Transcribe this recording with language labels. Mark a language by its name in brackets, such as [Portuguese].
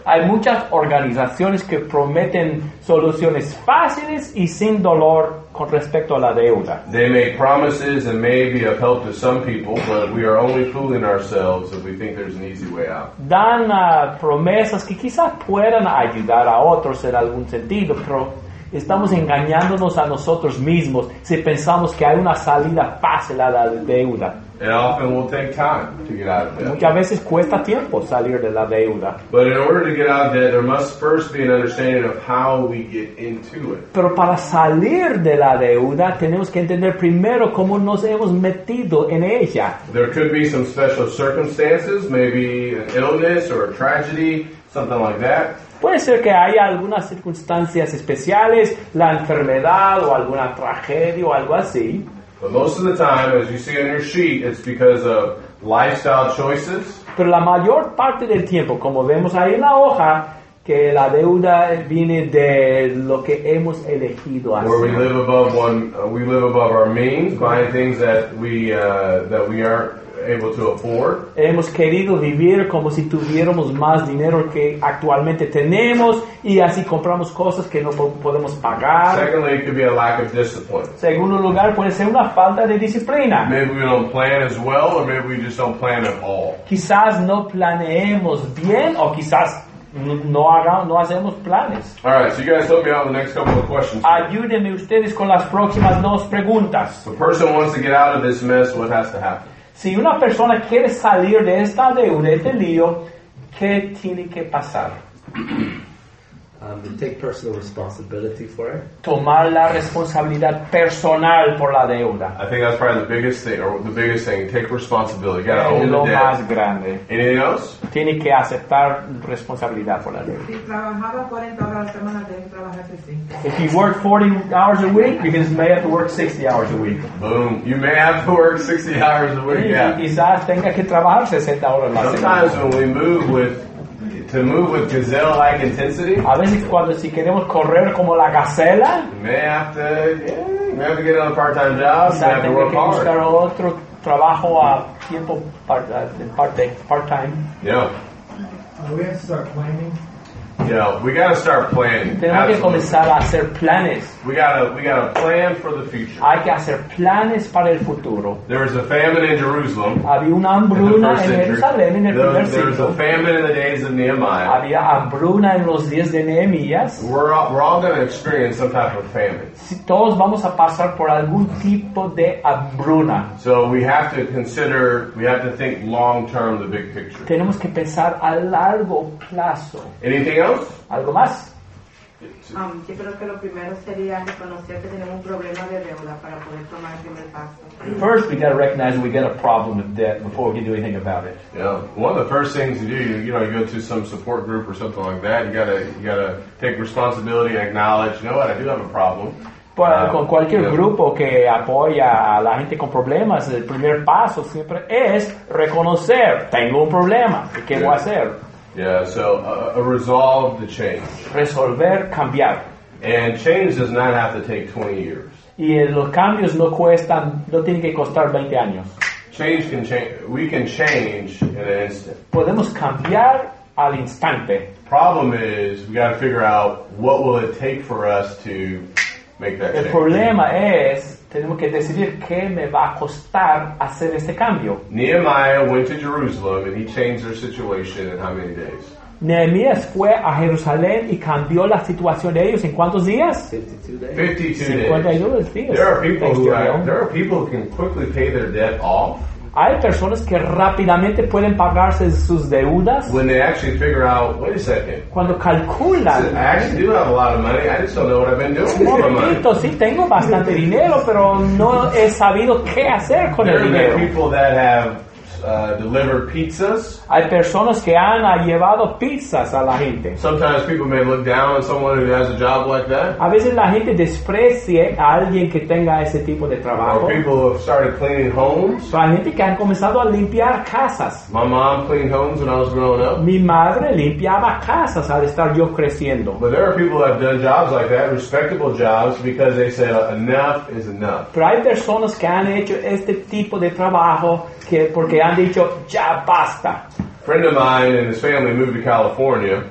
[Spanish] Hay muchas organizaciones que prometen soluciones fáciles y sin dolor con respecto a la deuda. [English] They make promises and may be of help to some people, but we are only fooling ourselves if we think there's an easy way out. [Spanish] Dan promesas que quizás puedan ayudar a otros en algún sentido, pero estamos engañándonos a nosotros mismos si pensamos que hay una salida fácil a la deuda. [English] It often will take time to get out of debt. [Spanish] Muchas veces cuesta tiempo salir de la deuda. [English] But in order to get out of debt, there must first be an understanding of how we get into it. [Spanish] Pero para salir de la deuda, tenemos que entender primero cómo nos hemos metido en ella. [English] There could be some special circumstances, maybe an illness or a tragedy, something like that. [Spanish] Puede ser que haya algunas circunstancias especiales, la enfermedad o alguna tragedia o algo así. [English] But most of the time, as you see on your sheet, it's because of lifestyle choices. [Spanish] Pero la mayor parte del tiempo, como vemos ahí en la hoja, que la deuda viene de lo que hemos elegido hacer. [English] Where we live above our means, buying things that we aren't able to afford. [Spanish] Hemos querido vivir como si tuviéramos más dinero que actualmente tenemos y así compramos cosas que no podemos pagar. [English] Secondly, it could be a lack of discipline. [Spanish] Segundo lugar, puede ser una falta de disciplina. [English] Maybe we don't plan as well, or maybe we just don't plan at all. [Spanish] Quizás no planeemos bien o quizás no hacemos planes. [English] All right, so you guys help me out with the next couple of questions. [Spanish] Ayúdenme ustedes con las próximas dos preguntas. [English] If a person wants to get out of this mess, what has to happen? [Spanish] Si una persona quiere salir de esta deuda, de este lío, ¿qué tiene que pasar? [English] Take personal responsibility for it. [Spanish] Tomar la responsabilidad personal por la deuda. [English] I think that's probably the biggest thing. Take responsibility. You gotta own [Spanish] lo [English] the debt. [Spanish] Más grande. [English] Anything else? [Spanish] Tiene que aceptar responsabilidad por la deuda. Si trabajaba 40 horas a la semana, tiene que trabajar 35. [English] If you work 40 hours a week, you may have to work 60 hours a week. Boom. You may have to work 60 hours a week. Yeah. [Spanish] Quizás tenga que trabajar 60 horas a la semana. [English] Sometimes when we move with gazelle-like intensity. [Spanish] A veces cuando si queremos correr como la gacela. [English] May have to get another part-time job. We have to work hard. [Spanish] Buscar otro trabajo a tiempo part-time. [English] Yeah. We have to start planning. Yeah, we got to start planning. [Spanish] Tenemos Que comenzar a hacer planes. [English] We got to plan for the future. [Spanish] Hay que hacer planes para el futuro. [English] There was a famine in Jerusalem. [Spanish] Había una hambruna en Jerusalén en el primer siglo. [English] There was a famine in the days of Nehemiah. [Spanish] Había hambruna en los días de Nehemías. [English] We're all going to experience some type of famine. [Spanish] Si todos vamos a pasar por algún tipo de hambruna. [English] So we have to think long term, the big picture. [Spanish] Tenemos que pensar a largo plazo. [English] Anything else? [Spanish] ¿Algo más? Sí, creo que lo primero sería reconocer que tenemos un problema de deuda para poder tomar el primer paso. [English] First, we got to recognize we got a problem with debt before we can do anything about it. Yeah. One of the first things you do, you go to some support group or something like that. You gotta take responsibility, acknowledge. You know what? I do have a problem. [Spanish] Con cualquier grupo que apoya a la gente con problemas, el primer paso siempre es reconocer tengo un problema. ¿Qué voy a hacer? [English] Yeah, so a resolve to change. [Spanish] Resolver, cambiar. [English] And change does not have to take 20 years. [Spanish] Y los cambios no cuestan, no tienen que costar 20 años. [English] Change can change. We can change in an instant. [Spanish] Podemos cambiar al instante. [English] Problem is, we got to figure out what will it take for us to make that change. [Spanish] El problema es, tenemos que decidir qué me va a costar hacer este cambio. [English] Nehemiah went to Jerusalem and he changed their situation in how many days? [Spanish] Nehemías fue a Jerusalén y cambió la situación de ellos en ¿cuántos días? [English] 52 days. 52 days. There are people who can quickly pay their debt off. [Spanish] Hay personas que rápidamente pueden pagarse sus deudas. [English] When they actually figure out, wait a second. [Spanish] Cuando calculan. [English] I actually do have a lot of money. I just don't know what I've been doing with my money. [Spanish] Momentito, sí, tengo bastante dinero, pero no he sabido qué hacer con el dinero. [English] There are people that have delivered pizzas. [Spanish] Hay personas que han llevado pizzas a la gente. [English] Sometimes people may look down on someone who has a job like that. [Spanish] A veces la gente desprecia a alguien que tenga ese tipo de trabajo. [English] Or people have started cleaning homes. [Spanish] Hay gente que han comenzado a limpiar casas. [English] My mom cleaned homes when I was growing up. [Spanish] Mi madre limpiaba casas al estar yo creciendo. [English] But there are people that have done jobs like that, respectable jobs, because they say enough is enough. [Spanish] Pero hay personas que han hecho este tipo de trabajo que porque han dicho ya basta. [English] friend of mine and his family moved to California.